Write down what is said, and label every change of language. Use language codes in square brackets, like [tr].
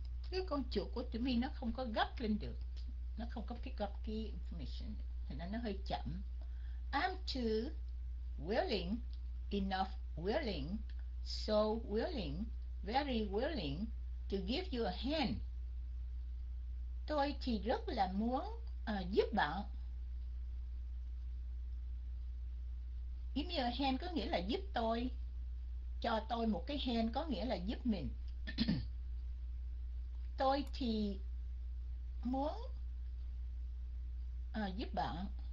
[vi] Cái con chuột của tụi mình nó không có gấp lên được, nó không có pick up cái information, thì nó hơi chậm. [en] I'm too willing, enough willing, so willing, very willing to give you a hand. [vi] Tôi thì rất là muốn giúp bạn. [en] Give me a hand [vi] có nghĩa là giúp tôi, cho tôi một cái hand có nghĩa là giúp mình. Tôi thì muốn giúp bạn.